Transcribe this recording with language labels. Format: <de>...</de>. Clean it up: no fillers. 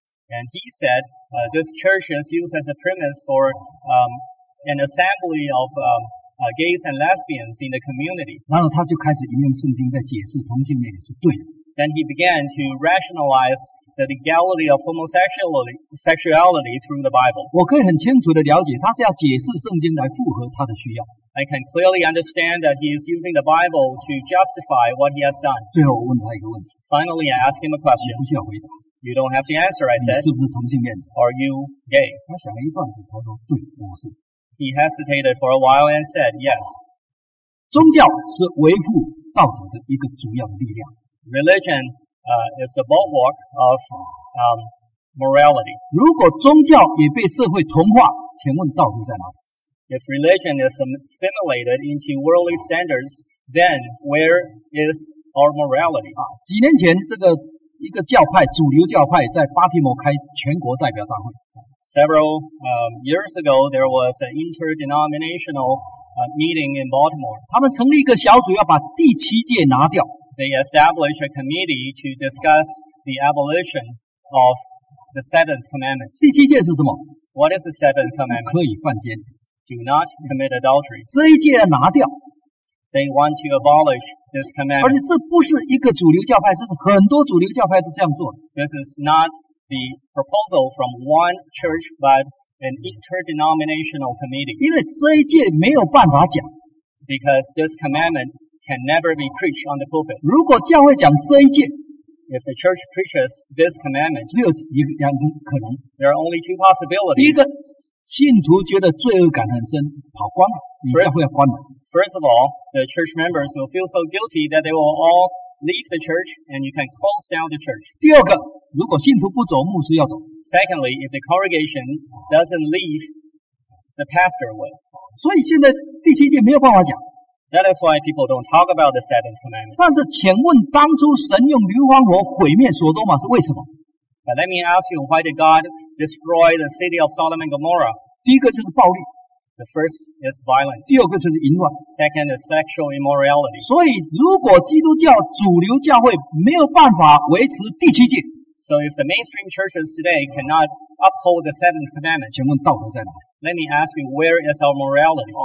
<en>And he said, this church is used as a premise for an assembly of gays and lesbians in the community.</en> <zh>然后他就开始引用圣经在解释同性恋也是对的。</zh> <en>Then he began to rationalize the legality of homosexuality through the Bible.</en> <zh>我可以很清楚地了解，他是要解释圣经来符合他的需要。</zh> <en>I can clearly understand that he is using the Bible to justify what he has done.</en> <zh>最后我问他一个问题。</zh> <en>Finally, I ask him a question.</en> <zh>你不需要回答。</zh> <en>You don't have to answer, I said.</en> <zh>你是不是同性恋者？</zh> <en>Are you gay?</en> <zh>他想了一段子，他说，对，我是。</zh> <en>He hesitated for a while and said, yes.</en> <zh>宗教是维护道德的一个主要力量。</zh> <en>Religion, is the bulwark of, morality.</en> <zh>如果宗教也被社会同化，请问道德在哪里？</zh> <en>If religion is assimilated into worldly standards, then where is our morality?</en> <zh>几年前这个一个教派，主流教派在巴提摩开全国代表大会。</zh> <en>Several, years ago, there was an interdenominational, meeting in Baltimore.</en> <zh>他们成立一个小组要把第七戒拿掉。</zh> <en>They established a committee to discuss the abolition of the seventh commandment.</en> <zh>第七戒是什么？</zh> <en>What is the seventh commandment?</en> <zh>可以犯奸。</zh> <en>Do not commit adultery.</en> <zh>这一戒拿掉。</zh> <en>They want to abolish this commandment.</en> <zh>而且这不是一个主流教派，这是很多主流教派都这样做。</zh> <en>This is not the proposal from one church, but an interdenominational committee.</en> <zh>因为这一戒没有办法讲。</zh> <en>Because this commandment can never be preached on the pulpit.</en> <zh>如果教会讲这一戒，</zh> <en>if the church preaches this commandment,</en> <zh>只有一个两个可能。</zh> <en>There are only two possibilities.</en> <zh>第一个，信徒觉得罪恶感很深，跑光了，你教会要关了。</zh> <en>First of all, the church members will feel so guilty that they will all leave the church and you can close down the church.</en> <zh>第二个，如果信徒不走，牧师要走。</zh> <en>Secondly, if the congregation doesn't leave, the pastor will.</en> <zh>所以现在第七戒没有办法讲。</zh> <en>That is why people don't talk about the seventh commandment.</en> <zh>但是请问当初神用硫磺火毁灭索多玛是为什么？</zh> <en>But let me ask you, why did God destroy the city of Sodom and Gomorrah?</en> <zh>第一个就是暴力。</zh> <en>The first is violence.</en> <zh>第二个就是淫乱。</zh> <en>Second is sexual immorality.</en> <zh>所以如果基督教主流教会没有办法维持第七戒。</zh> <en>So if the mainstream churches today cannot uphold the seventh commandment.</en> <zh>请问道德在哪里？</zh> <en>Let me ask you, where is our morality?</en>